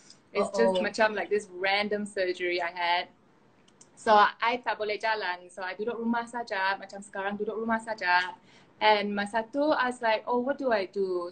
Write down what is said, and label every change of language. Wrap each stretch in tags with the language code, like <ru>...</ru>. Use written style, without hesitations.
<en>It's just</en> <ms>macam</ms> <en>like this random surgery I had. So I</en> <ms>tak boleh jalan.</ms> <en>So I</en> <ms>duduk rumah saja, macam sekarang duduk rumah saja.</ms> <en>And</en> <ms>masa tu</ms> <en>I was like, oh, what do I do?</en>